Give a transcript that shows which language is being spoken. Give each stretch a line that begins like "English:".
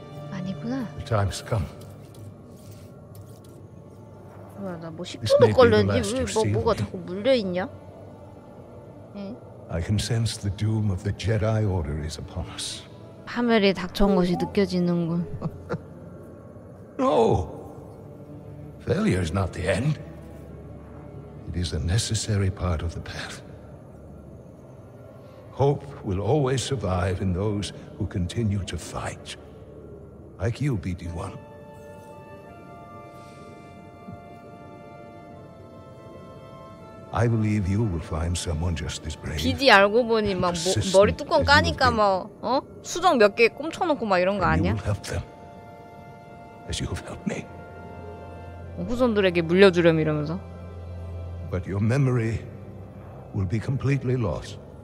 Korean: 아니구나. 뭐야 나 뭐 10초도 걸렸니? 왜 뭐 뭐가 자꾸 물려있냐? 응?
English: I can sense the doom of the Jedi Order is upon us.
Korean: 파멸이 닥쳐온 것이 느껴지는군.
English: No! Failure is not the end. It is a necessary part of the path. Hope will always survive in those who continue to fight. Like you, BD-1. I believe you will find someone just as brave.
Korean: BD 알고 보니 막 머리 뚜껑 까니까 막 어? 수정 몇 개 꽂혀놓고 막 이런 거 아니야?
English: You will help them. as you have helped me.
Korean: 후손들에게 물려주렴 이러면서.
English: But your memory will be completely lost.